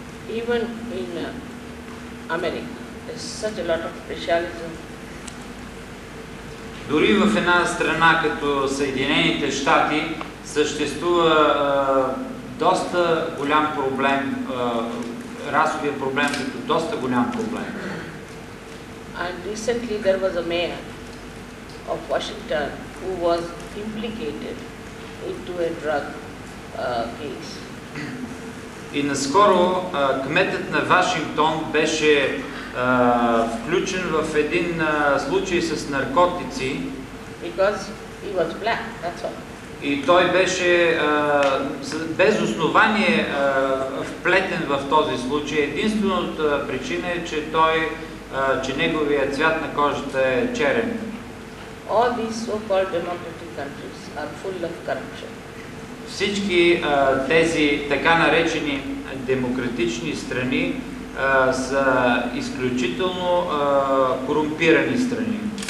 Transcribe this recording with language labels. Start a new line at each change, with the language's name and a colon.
English: Even in America, there's such a lot of specialism.
Bulgarian: Дори в една страна като Съединените щати съществува доста голям проблем, расовия проблем като доста голям проблем.
English: And recently there was a mayor of Washington who was implicated into a drug case.
Bulgarian: И наскоро кметът на Вашингтон беше включен в един случай с наркотици.
English: Because he was black, that's all.
Bulgarian: И той беше без основание вплетен в този случай. Единствената причина е, че той, че неговият цвят на кожата е черен.
English: All these so-called democratic countries are full of corruption.
Bulgarian: Всички тези така наречени демократични страни са изключително корумпирани страни.